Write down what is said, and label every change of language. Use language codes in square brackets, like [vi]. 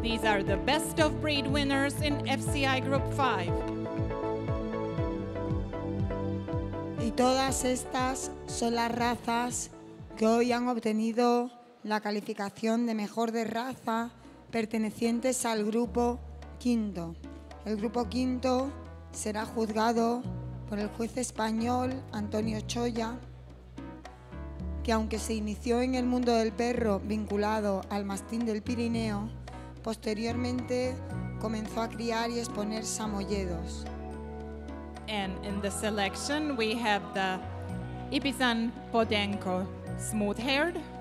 [en] These are the best of breed winners in FCI Group 5. [es] Y todas estas son las razas que hoy han obtenido la calificación de mejor de raza pertenecientes al grupo quinto. El grupo quinto será juzgado por el juez español Antonio Choya, que aunque se inició en el mundo del perro vinculado al mastín del Pirineo, posteriormente comenzó a criar y exponer samoyedos. [en] And in the selection we have the Ipizan Podenco smooth haired,